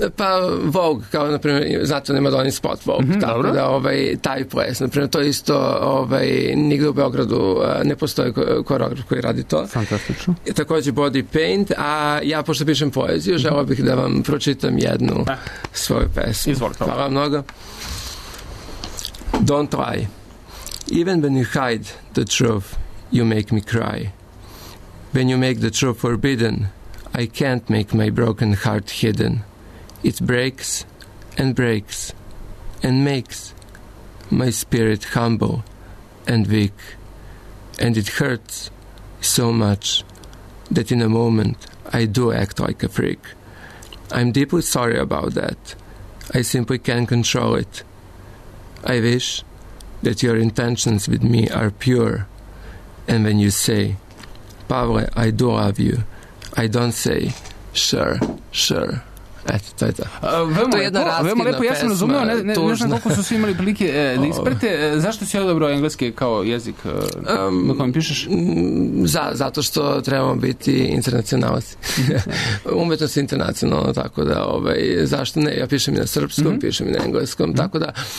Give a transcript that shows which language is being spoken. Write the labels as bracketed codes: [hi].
[sr] Pa Vogue, kao na primjer, znate, nema Donny Spot Vogue, tako da taj ples, naprimer, to isto nigde u Beogradu ne postoje koreograf koji radi to. Fantastično. Takođe body paint, a ja pošto pišem poeziju, želeo bih da vam pročitam jednu svoju pesmu. Izvolite. Hvala mnogo. [en] Don't lie. Even when you hide the truth, you make me cry. When you make the truth forbidden, I can't make my broken heart hidden. It breaks and breaks and makes my spirit humble and weak, and it hurts so much that in a moment I do act like a freak. I'm deeply sorry about that. I simply can't control it. I wish that your intentions with me are pure, and when you say, Pavle, I do love you, I don't say, sure. [sr] Eto, to je to. Veoma lepo, veoma lepo, ja sam razumeo, ne znam koliko su svi imali prilike da isprate. Zašto si odabrao engleski kao jezik na kojem pišeš? Zato što trebamo biti internacionalci. Umetnost je internacionalna, tako da, zašto ne? Ja pišem i na srpskom, pišem i na engleskom, tako da.